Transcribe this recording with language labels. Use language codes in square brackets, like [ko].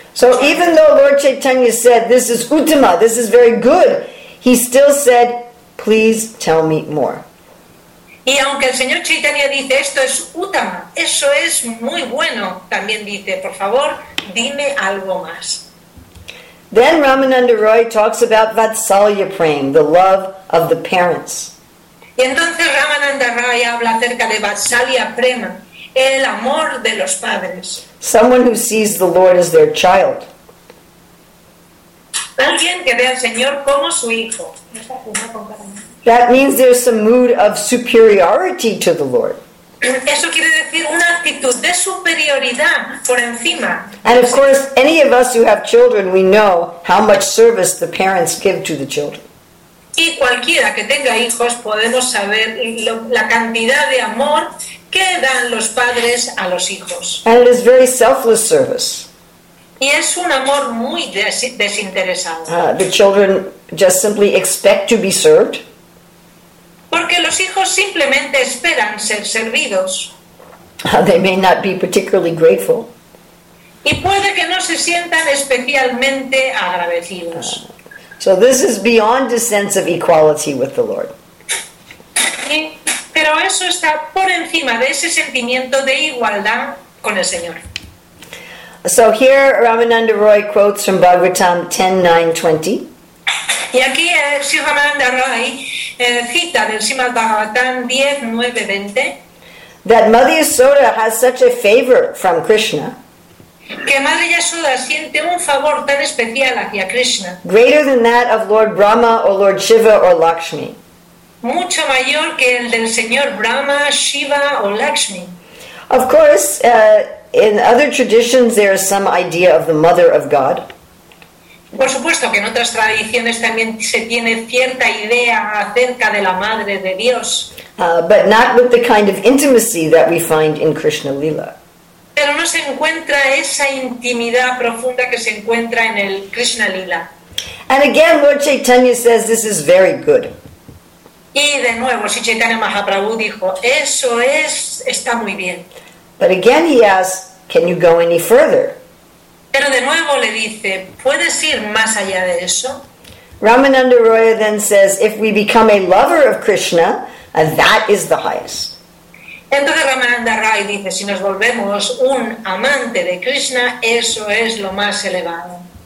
[en] So even though Lord Chaitanya said, this is Uttama, this is very good, he still said, please tell me more. [es] Y aunque el señor Chaitanya dice, esto es Uttama, eso es muy bueno, también dice, por favor, dime algo más. [en] Then Ramananda Roy talks about Vatsalya Prem, the love of the parents. [es] Y entonces Ramananda Roy habla acerca de Vatsalya Prema, el amor de los padres. [en] Someone who sees the Lord as their child. [es] Alguien que ve al Señor como su hijo. [en] That means there's some mood of superiority to the Lord. [es] Eso quiere decir una actitud de superioridad por encima. [en] And of course, any of us who have children, we know how much service the parents give to the children. [es] Y cualquiera que tenga hijos podemos saber la cantidad de amor que dan los padres a los hijos. [en] And it is very selfless service. [es] Y es un amor muy desinteresado. [en] The children just simply expect to be served. [es] Porque los hijos simplemente esperan ser servidos. [en] They may not be particularly grateful. [es] Y puede que no se sientan especialmente agradecidos. [en] So this is beyond a sense of equality with the Lord. [es] Pero eso está por encima de ese sentimiento de igualdad con el Señor. [en] So here Ramananda Roy quotes from Bhagavatam 10.9.20. [es] Y aquí Sri Ramananda Roy cita del Srimad Bhagavatam 10.9.20. [en] That Mother Yasoda has such a favor from Krishna. [es] Que Madre Yasoda siente un favor tan especial hacia Krishna. [en] Greater than that of Lord Brahma or Lord Shiva or Lakshmi. [es] Mucho mayor que el del Señor Brahma, Shiva o Lakshmi. [en] Of course, in other traditions there is some idea of the Mother of God. [es] Por supuesto que en otras tradiciones también se tiene cierta idea acerca de la Madre de Dios. [en] But not with the kind of intimacy that we find in Krishna Lila. [es] Pero no se encuentra esa intimidad profunda que se encuentra en el Krishna Lila. [en] And again, Lord Chaitanya says this is very good. [es] Y de nuevo, Sri Chaitanya Mahaprabhu dijo, eso es, está muy bien. [en] But again he asks, can you go any further? [es] Pero de nuevo le dice, ¿puedes ir más allá de eso? [en] Ramananda Roya then says, if we become a lover of Krishna, that is the highest. [es] Entonces Ramananda Roy dice, si nos volvemos un amante de Krishna, eso es lo más elevado.